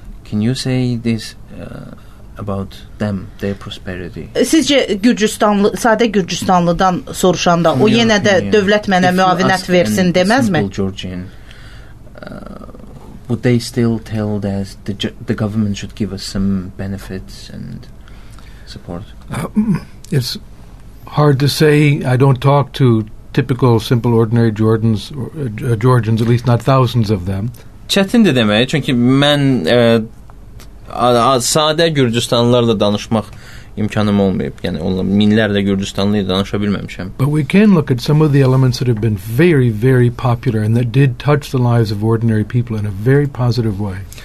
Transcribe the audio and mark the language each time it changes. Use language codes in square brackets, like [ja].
[en] Can you say this about them, their prosperity? [az] Sizcə Gürcüstanlı, sadə Gürcüstanlıdan soruşanda o yenə də dövlət mənə müavinət versin deməzmi? [en] Georgian, would they still tell that the government should give us some benefits and support? It's hard to say. I don't talk to typical, simple, ordinary Jordans, Georgians, at least not thousands of them. [az] Çətin de deməyə, çünki mən sadə Gürcüstanlılarla danışmaq imkanım olmayıb. Yəni, onunla minlərlə Gürcüstanlıyla danışa bilməmişəm. [en] But we can look at some of the elements that have been very, very popular and that did touch the lives of ordinary people in a very positive way.